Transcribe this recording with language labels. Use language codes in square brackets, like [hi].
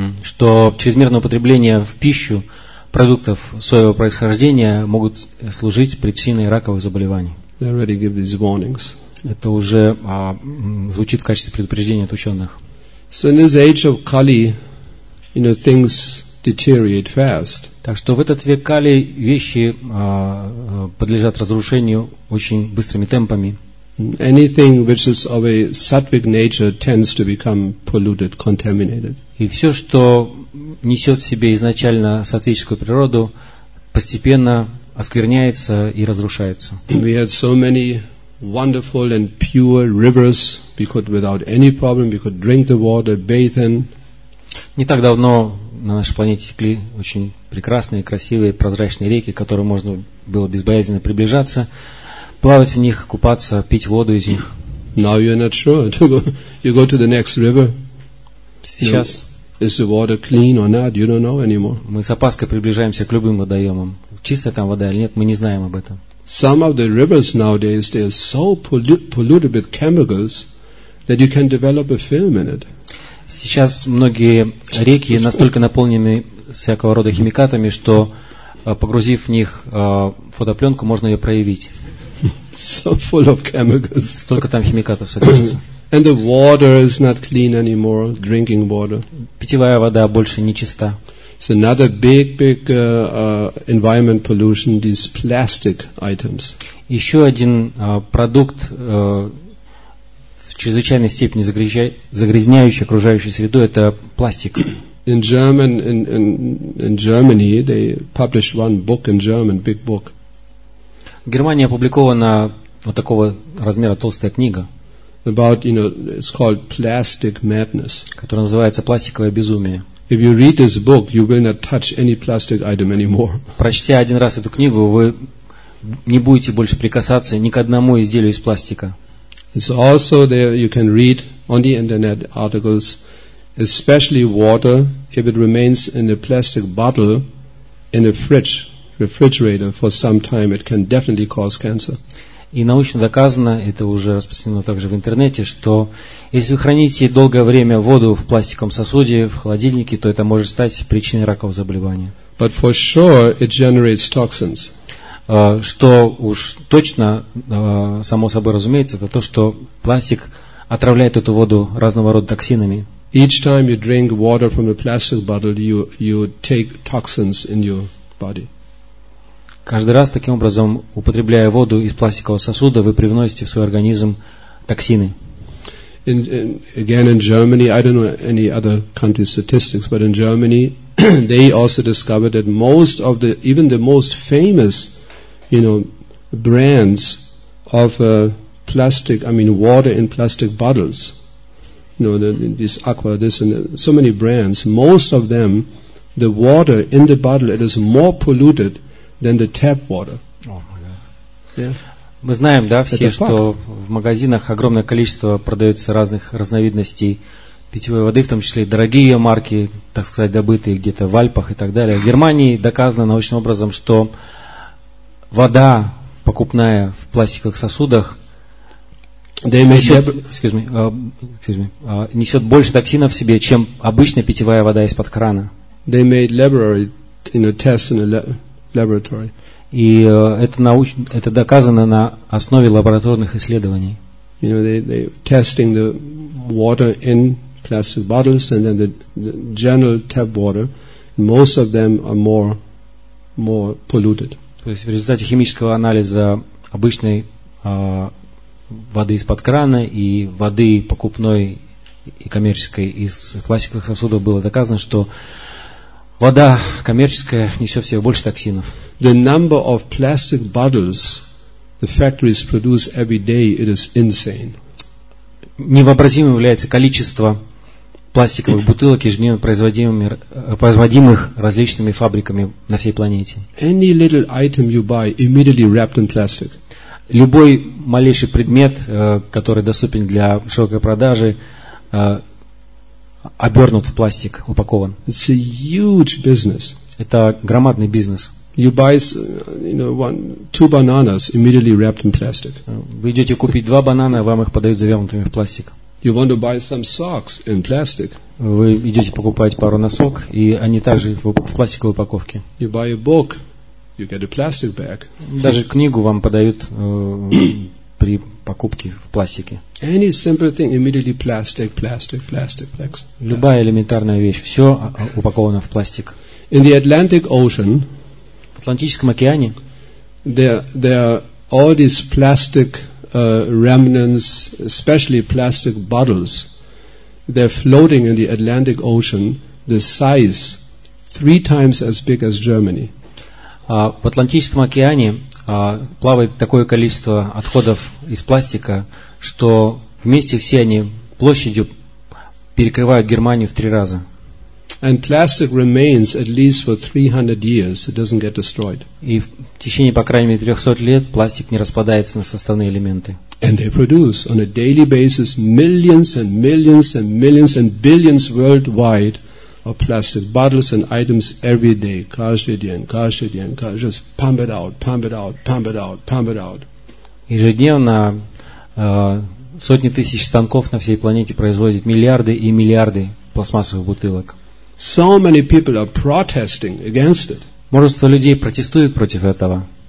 [ru] Что чрезмерное употребление в пищу продуктов соевого происхождения могут служить причиной раковых заболеваний. [en] They already give these warnings. [ru] Это уже звучит в качестве предупреждения от ученых. [en] So in this age of Kali, things deteriorate fast. [ru] Так что в этот век Кали вещи подлежат разрушению очень быстрыми темпами. [en] Anything which is of a sattvic nature tends to become polluted, contaminated. [ru] И все, что несет в себе изначально сатвическую природу, постепенно оскверняется и разрушается. [en] We had so many wonderful and pure rivers. We could, without any problem, we could drink the water, bathe in. [ru] Не так давно на нашей планете текли очень прекрасные, красивые, прозрачные реки, к которым можно было безбоязненно приближаться, плавать в них, купаться, пить воду из них. [en] Now you're not sure. You go to the next river. [ru] Сейчас. [en] Is the water clean or not? You don't know anymore. [ru] Мы с опаской приближаемся к любым водоемам. Чистая там вода или нет, мы не знаем об этом. [en] Some of the rivers nowadays they are so polluted with chemicals that you can develop a film in it. [ru] Сейчас многие реки настолько наполнены всякого рода химикатами, что погрузив в них фотопленку, можно ее проявить. [en] So full of chemicals. [ru] Столько там химикатов содержится. [en] And the water is not clean anymore, drinking water. [ru] Питьевая вода больше не чиста. [en] It's another big environment pollution, these plastic items. [ru] Еще один продукт в чрезвычайной степени загрязняющий окружающую среду – это пластик. [en] In Germany, they published one book in German, big book. [ru] В Германии опубликована вот такого размера толстая книга. [en] about, you know, it's called plastic madness. [ru] Которое называется пластиковое безумие. [en] If you read this book, you will not touch any plastic item anymore. [ru] Прочтя один раз эту книгу, вы не будете больше прикасаться ни к одному изделию из пластика. [en] It's also there you can read on the internet articles, especially water, if it remains in a plastic bottle in a fridge, refrigerator for some time, it can definitely cause cancer. [ru] И научно доказано, это уже распространено также в интернете, что если вы храните долгое время воду в пластиковом сосуде, в холодильнике, то это может стать причиной ракового заболевания. [en] But for sure it generates toxins. [ru] Что уж точно, само собой разумеется, это то, что пластик отравляет эту воду разного рода токсинами. [en] Each time you drink water from a plastic bottle, you take toxins in your body. [ru] Каждый раз, таким образом, употребляя воду из пластикового сосуда, вы привносите в свой организм токсины. [en] Again, in Germany, I don't know any other country's statistics, but in Germany, they also discovered that most of the, even the most famous, you know, brands of plastic, I mean, water in plastic bottles, you know, this Aqua, this, and so many brands, most of them, the water in the bottle, it is more polluted than the tap water. [ru] Мы знаем, да, все, что в магазинах огромное количество продается разных разновидностей питьевой воды, в том числе дорогие ее марки, так сказать, добытые где-то в Альпах и так далее. В Германии доказано научным образом, что вода покупная в пластиковых сосудах несет больше токсинов в себе, чем обычная питьевая вода из-под крана. [en] They made laboratory, you know, tests in a laboratory. [ru] И это доказано на основе лабораторных исследований. [en] You know, they testing the water in plastic bottles and then the general tap water. Most of them are more polluted. [ru] То есть в результате химического анализа обычной воды из-под крана и воды покупной и коммерческой из пластиковых сосудов было доказано, что вода коммерческая несет в себе больше токсинов. [en] The number of plastic bottles the factories produce every day, it is insane. [ru] Невообразимым является количество пластиковых бутылок, ежедневно производимых различными фабриками на всей планете. [en] Any little item you buy immediately wrapped in plastic. [ru] Любой малейший предмет, который доступен для широкой продажи, обернут в пластик, упакован. [en] It's a huge business. [ru] Это громадный бизнес. [en] You buy, you know, two bananas immediately wrapped in plastic. [ru] Вы идете купить два банана, вам их подают завернутыми в пластик. [en] You want to buy some socks in plastic. [ru] Вы идете покупать пару носок, и они также в пластиковой упаковке. [en] You buy a book, you get a plastic bag. [ru] Даже книгу вам подают при покупке в пластике. [en] Any simple thing immediately plastic. [ru] Любая элементарная вещь, все упаковано в пластик. [en] In the Atlantic Ocean, [ru] в Атлантическом океане, [en] there are all these plastic remnants, especially plastic bottles, they're floating in the Atlantic Ocean, the size 3 times as big as Germany. [ru] В Атлантическом океане плавает такое количество отходов из пластика, что вместе все они площадью перекрывают Германию в 3 раza. [en] And plastic remains at least for 300 years. It doesn't get destroyed. [ru] И в течение по крайней мере 300 лет пластик не распадается на составные элементы. [en] And they produce on a daily basis millions and millions and millions and billions worldwide of plastic bottles and items every day. [ru] Каждый день, [en] just pump it out. [ru] Ежедневно сотни тысяч станков на всей планете производят миллиарды и миллиарды пластмассовых бутылок. [en] So many people are protesting against it. [ru] Множество людей протестуют против этого.